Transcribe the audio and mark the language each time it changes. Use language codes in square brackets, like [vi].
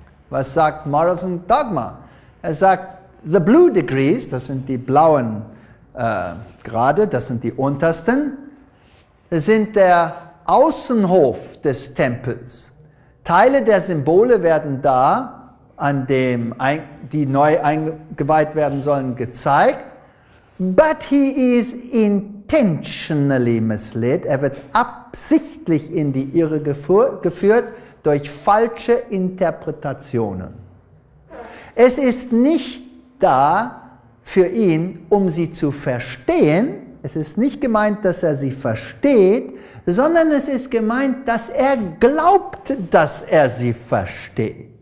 [de] Was sagt Morals and Dogma? Er sagt, [en] the blue degrees, [de] das sind die blauen Grade, das sind die untersten, sind der Außenhof des Tempels. Teile der Symbole werden da an dem die neu eingeweiht werden sollen, gezeigt. [en] But he is intentionally misled. [de] Er wird absichtlich in die Irre geführt durch falsche Interpretationen. Es ist nicht da für ihn, um sie zu verstehen. Es ist nicht gemeint, dass er sie versteht, sondern es ist gemeint, dass er glaubt, dass er sie versteht.